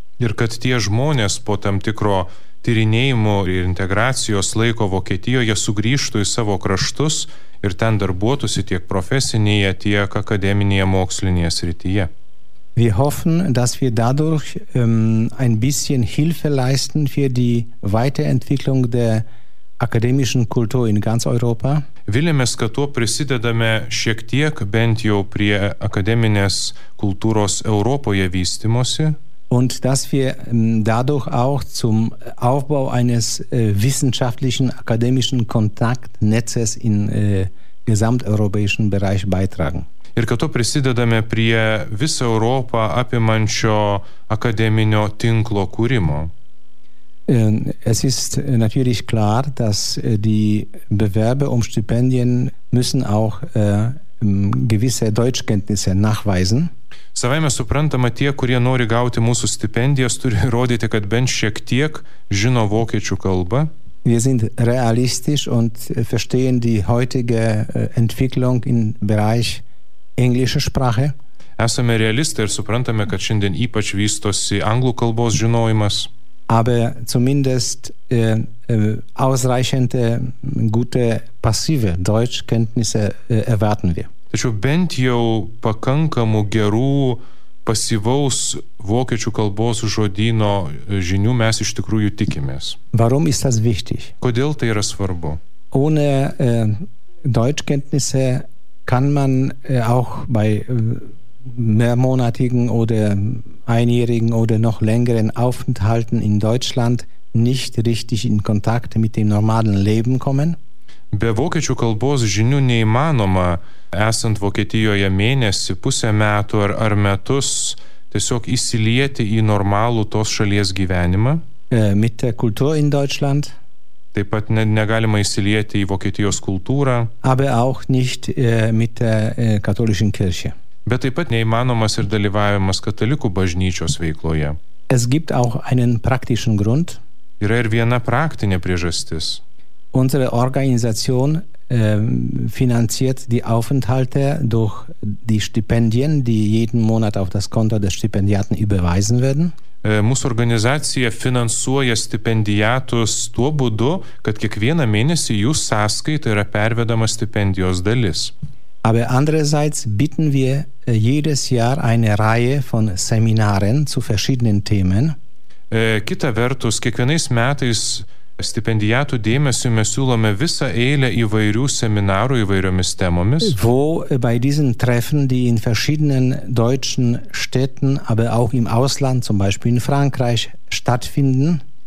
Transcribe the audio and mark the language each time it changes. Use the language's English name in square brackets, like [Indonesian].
[Lithuanian] Ir kad tie žmonės po tam tikro tyrinėjimo ir integracijos laiko Vokietijoje sugrįžtų į savo kraštus ir ten darbuotųsi tiek profesinėje, tiek akademinėje mokslinėje srityje. [German] Wir hoffen, dass wir dadurch ein bisschen Hilfe leisten für die Weiterentwicklung der akademischen Kultur in ganz Europa. [Lithuanian] Viliamės, kad tuo prisidedame šiek tiek bent jau prie akademinės kultūros Europoje vystymosi. [German] Und dass wir dadurch auch zum Aufbau eines wissenschaftlichen akademischen Kontaktnetzes im gesamteuropäischen Bereich beitragen. [Lithuanian] Ir kad tuo prisidedame prie visą Europą apimančio akademinio tinklo kūrimo. [German] Es ist natürlich klar, dass die Bewerber um Stipendien müssen auch gewisse Deutschkenntnisse nachweisen. [Lithuanian] Savaime suprantama, tie, kurie nori gauti mūsų stipendijas, turi rodyti, kad bent šiek tiek žino vokiečių kalbą. [German] Wir sind realistisch und verstehen die heutige Entwicklung im Bereich englische Sprache. [Lithuanian] Esame realistai ir suprantame, kad šiandien ypač vystosi anglų kalbos žinojimas. [German] Aber zumindest ausreichende gute passive Deutschkenntnisse erwarten wir. [Lithuanian] Tačiau bent jau pakankamų gerų pasyvaus vokiečių kalbos žodyno žinių mes iš tikrųjų tikimės. [German] Warum ist das wichtig? [Lithuanian] Kodėl tai yra svarbu? [German] Ohne Deutschkenntnisse kann man auch bei mehrmonatigen oder einjährigen oder noch längeren Aufenthalten in Deutschland nicht richtig in Kontakt mit dem normalen Leben kommen. [Lithuanian] Be vokiečių kalbos žinių neįmanoma, esant Vokietijoje mėnesį, pusę metų ar metus, tiesiog įsilieti į normalų tos šalies gyvenimą. [German] Mit der Kultur in Deutschland. [Lithuanian] Taip pat negalima įsilieti į Vokietijos kultūrą. [German] Aber auch nicht mit der katholischen Kirche. [Lithuanian] Bet taip pat neįmanomas ir dalyvavimas katalikų bažnyčios veikloje. [German] Es gibt auch einen praktischen Grund. [Lithuanian] Yra ir viena praktinė priežastis. [German] Unsere Organisation finanziert die Aufenthalte durch die Stipendien, die jeden Monat auf das Konto des Stipendiaten überweisen werden. [Lithuanian] Mūsų organizacija finansuoja stipendiatus tuo būdu, kad kiekvieną mėnesį jų sąskaita yra pervedama stipendijos dalis. [German] Aber andererseits bieten wir jedes Jahr eine Reihe von Seminaren zu verschiedenen Themen. [Lithuanian] Kita vertus, kiekvienais metais stipendijatų dėmesiu mes siūlome visą eilę įvairių seminarų įvairiomis temomis. [German] Wo bei diesen Treffen, die in verschiedenen deutschen Städten, aber auch im Ausland, zum Beispiel in Frankreich, stattfinden.